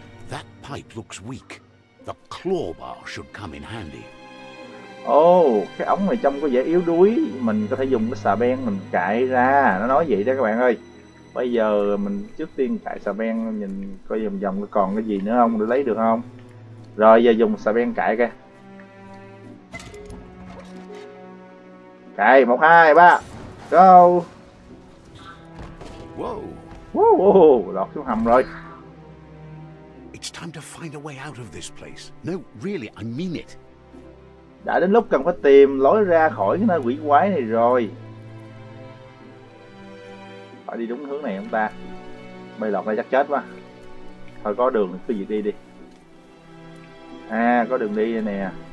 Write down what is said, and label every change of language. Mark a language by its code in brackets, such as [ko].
[en] That pipe looks weak. The claw bar should come in handy. [vi] Cái ống này trông có vẻ yếu đuối, mình có thể dùng cái xà beng mình cạy ra. Nó nói vậy đó các bạn ơi. Bây giờ mình trước tiên cạy xà beng, nhìn coi vòng vòng còn cái gì nữa không để lấy được không. Rồi giờ dùng xà beng cạy kìa. Cạy 1, 2, 3 Go. Whoa. Lọt xuống hầm rồi. [en] It's time to find a way out of this place. No, really, I mean it. [vi] Đã đến lúc cần phải tìm lối ra khỏi cái nơi quỷ quái này rồi. Phải đi đúng hướng này không ta? Bay lọt đây chắc chết quá. Thôi có đường cứ gì đi đi. À, có đường đi đây nè.